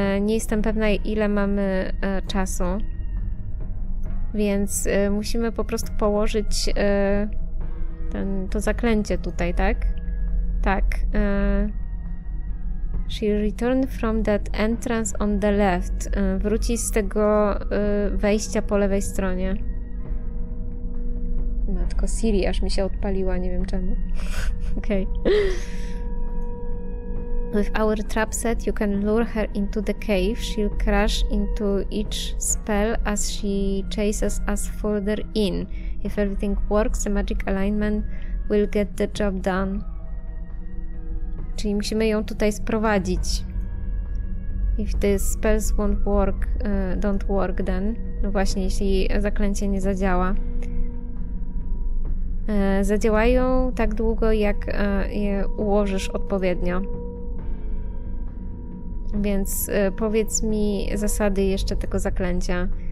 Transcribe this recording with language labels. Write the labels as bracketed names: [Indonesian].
[Polish] Nie jestem pewna, ile mamy czasu. Więc musimy po prostu położyć to zaklęcie tutaj, tak? Tak. [English] She returned from that entrance on the left. [Polish] Wróci z tego wejścia po lewej stronie. No, tylko Siri aż mi się odpaliła, nie wiem czemu. Okej. [English] Okay. With our trap set, you can lure her into the cave. She'll crash into each spell as she chases us further in. If everything works, the magic alignment will get the job done. [Polish] Czyli musimy ją tutaj sprowadzić. [English] If the spells won't work, don't work then. [Polish] No właśnie, jeśli zaklęcie nie zadziała. Zadziałają tak długo, jak je ułożysz odpowiednio. Więc powiedz mi zasady jeszcze tego zaklęcia.